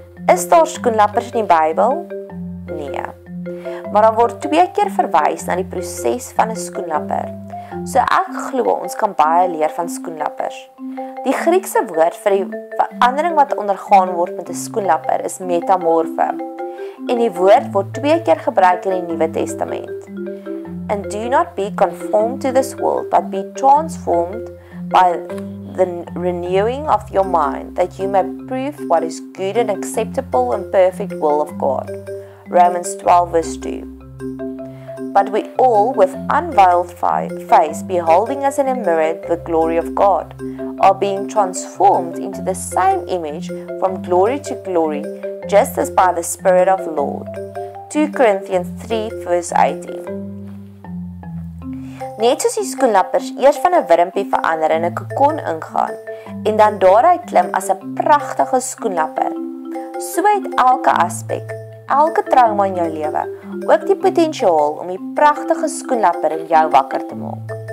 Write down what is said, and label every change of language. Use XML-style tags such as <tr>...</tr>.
<af>Is daar skoenlappers in die Bybel? Nee. Maar dan word twee keer verwys na die proses van 'n skoenlapper. So ek glo ons kan baie leer van skoenlappers. Die Griekse woord vir die verandering wat ondergaan word met 'n skoenlapper is metamorfe. En die woord word twee keer gebruik in die Nuwe Testament.</af> <en>And do not be conformed to this world, but be transformed by the renewing of your mind, that you may prove what is good and acceptable and perfect will of God. Romans 12 verse 2. But we all, with unveiled face, beholding as in a mirror the glory of God, are being transformed into the same image from glory to glory, just as by the Spirit of the Lord. 2 Corinthians 3 verse 18.</en> <af>Net soos die skoenlappers eers van 'n wurmpie verander in 'n kokon ingaan en dan daaruit klim as 'n pragtige skoenlapper, so het elke aspek, elke trauma in jou lewe, ook die potensiaal om die pragtige skoenlapper in jou wakker te maak.</af>